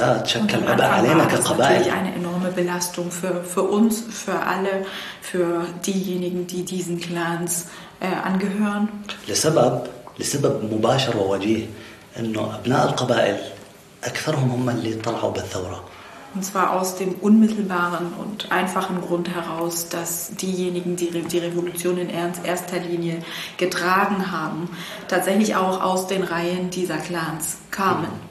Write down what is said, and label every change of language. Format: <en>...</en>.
<de>am Anfang war das natürlich eine enorme Belastung für uns, für alle, für diejenigen, die diesen Clans angehören.</de> <ar>لسبب مباشر ووجيه إنه أبناء القبائل أكثرهم هم اللي طلعوا بالثورة.</ar> <de>Und zwar aus dem unmittelbaren und einfachen Grund heraus, dass diejenigen, die die Revolution in erster Linie getragen haben, tatsächlich auch aus den Reihen dieser Clans kamen.</de>